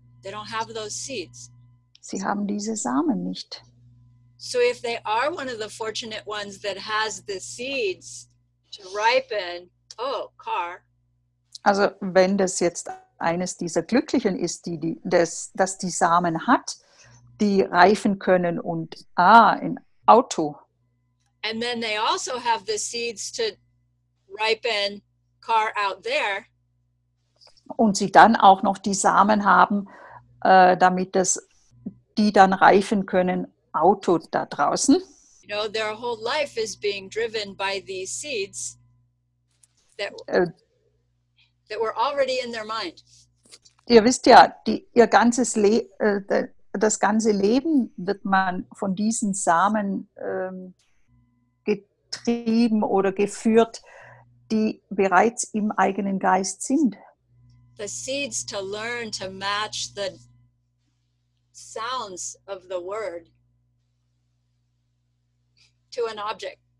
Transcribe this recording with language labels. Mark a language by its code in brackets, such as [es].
[en] They don't have those seeds. [de] Sie haben diese Samen nicht. [en] So if they are one of the fortunate ones that has the seeds to ripen, oh, car. [de] Also wenn das jetzt eines dieser Glücklichen ist, das die Samen hat, die reifen können und in Auto. [en] And then they also have the seeds to ripen car out there. [de] Und sie dann auch noch die Samen haben, damit das, die dann reifen können, Auto da draußen. [en] You know, their whole life is being driven by these seeds that were already in their mind. [de] Ihr wisst ja, das ganze Leben wird man von diesen Samen getrieben oder geführt, die bereits im eigenen Geist sind. [en] The seeds to learn to match the sounds of the word to an object.